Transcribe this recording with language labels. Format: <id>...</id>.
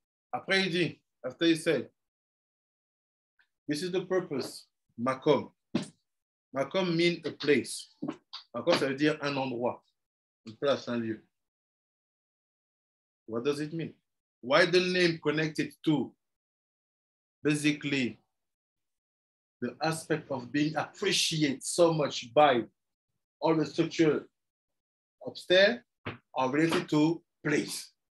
<fr>Après, il dit,</fr> <en>after he said, this is the purpose, MaKom. MaKom means a place.</en> <fr>MaKom, ça veut dire un endroit, une place, un lieu.</fr> <en>What does it mean? Why the name connected to, basically, the aspect of being appreciated so much by all the structure upstairs are related to place.</en>